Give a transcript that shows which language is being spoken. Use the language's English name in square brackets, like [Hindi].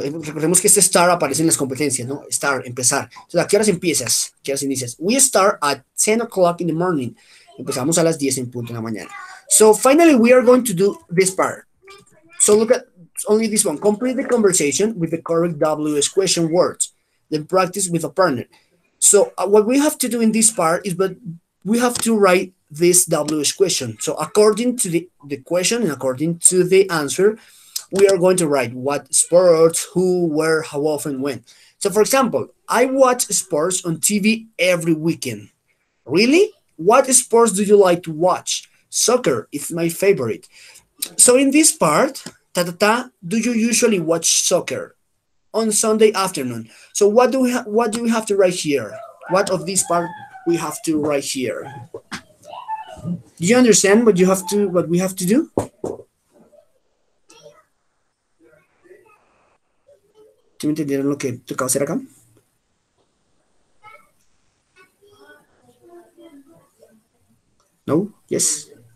[Spanish] Recordemos que este start aparece en las competencias, ¿no? Start, empezar. Entonces, ¿a qué horas empiezas? ¿Qué horas inicias? [English] We start at 10 o'clock in the morning. [Spanish] Empezamos a las 10 en punto en la mañana. [English] So, finally, we are going to do this part. So, look at only this one. Complete the conversation with the correct WS question words. Then practice with a partner. So, what we have to do in this part is, but we have to write this WH question. So according to the question and according to the answer, we are going to write what sports, who, where, how often, when. So for example, I watch sports on TV every weekend. Really? What sports do you like to watch? Soccer, it's my favorite. So in this part, do you usually watch soccer? On Sunday afternoon. So what do we have to write here? What of this part we have to write here? Do you understand what we have to do? [Spanish] ¿Tú me entendieron lo que tú acabas de hacer acá? [English] No? Yes?